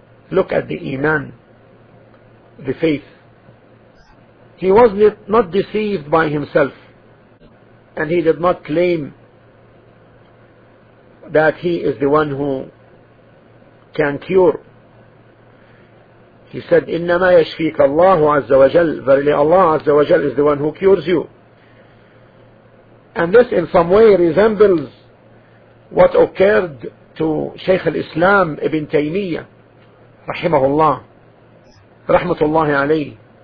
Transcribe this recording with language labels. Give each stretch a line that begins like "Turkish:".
English: Look at the iman, the faith. He was not deceived by himself, and he did not claim that he is the one who can cure. He said,
Arabic: إِنَّمَا يَشْفِيكَ اللَّهُ عَزَّ وَجَلَّ.
English: Verily Allah Azza wa Jal is the one who cures you. And this in some way resembles what occurred to Shaykh al-Islam Ibn Taymiyyah rahimahullah, rahmatullahi alayhi.